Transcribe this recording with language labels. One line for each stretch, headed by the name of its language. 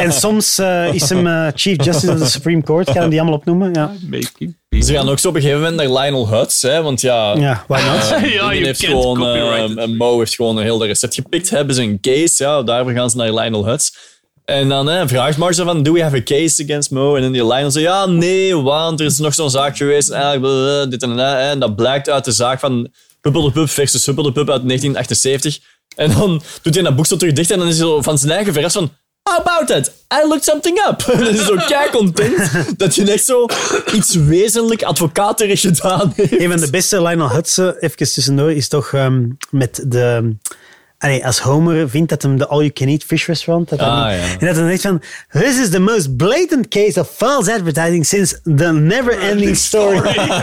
Dutch: En soms is hem
English: Chief Justice of the Supreme Court.
Dutch: Gaan we die allemaal opnoemen? Ja. Ze gaan ook zo op een gegeven moment naar Lionel Hutz, hè, want
English: why not?
Dutch: Mo heeft gewoon een heel recept gepikt, hebben ze een case, daarvoor gaan ze naar Lionel Hutz. En dan vraagt Marge van,
English: do we have a case against Mo?
Dutch: En dan die Lionel zo, want er is nog zo'n zaak geweest, dit en dat. En dat blijkt uit de zaak van Huppel de Pup versus Huppel de Pup uit 1978. En dan doet hij dat boek zo terug dicht en dan is hij zo van zijn eigen verrast van,
English: how about that? I looked something up.
Dutch: Dat is zo kei content dat je echt zo iets wezenlijk advocaterig gedaan heeft. Een van de beste Lionel Hutzen, even tussendoor, is toch met de... als Homer vindt dat hem de all-you-can-eat fish restaurant... En dat hij dan denkt van...
English: This is the most blatant case of false advertising since the never-ending story.